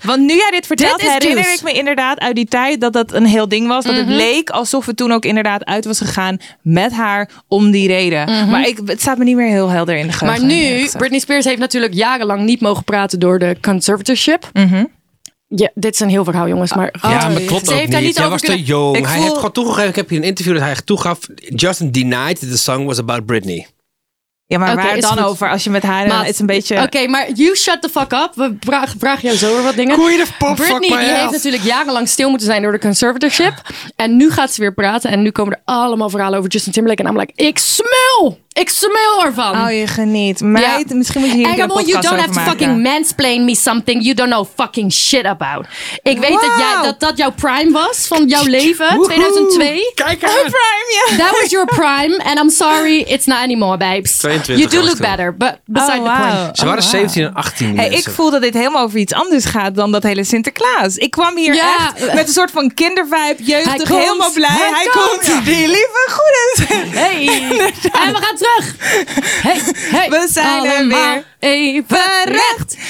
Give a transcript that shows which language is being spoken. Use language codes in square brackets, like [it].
[nl] Want nu jij dit vertelt, herinner ik me inderdaad uit die tijd dat dat een heel ding was. Dat mm-hmm. het leek alsof het toen ook inderdaad uit was gegaan met haar om die reden. Mm-hmm. Maar het staat me niet meer heel helder in de geheugen. Maar nu, Britney Spears heeft natuurlijk jarenlang niet mogen praten door de conservatorship. Mm-hmm. Ja, dit is een heel verhaal, jongens. Maar, ja, maar klopt ook niet. Hij was te jong. Hij heeft gewoon toegegeven. Ik heb hier een interview dat hij echt toegaf. [en] Justin denied that the song was about Britney. [nl] Ja, maar waar dan over als je met haar... Maat, is een beetje... Oké, okay, maar [en] you shut the fuck up. [nl] We vragen jou zo weer wat dingen. [en] Queen of pop, Britney, fuck [nl] die heeft natuurlijk jarenlang stil moeten zijn door de conservatorship. En nu gaat ze weer praten. En nu komen er allemaal verhalen over Justin Timberlake. En [en] I'm like, [nl] ik smul ervan. Oh, je geniet. Meid, yeah. Misschien moet je hier een podcast over maken. [en] You don't have to fucking mansplain me something you don't know fucking shit about. [nl] Ik weet dat jouw prime was van jouw leven, 2002. Kijk aan. Een prime, ja. [en] That was your prime. And I'm sorry, it's not anymore, babes. 22 you do look better, but beside the point. [nl] Ze waren 17 en 18. Hey, ik voel dat dit helemaal over iets anders gaat dan dat hele Sinterklaas. Ik kwam hier echt met een soort van kindervibe, jeugdig, helemaal blij. Hij komt. Die lieve goedens. Hey. En we gaan terug. Hey. We zijn er weer. Even recht.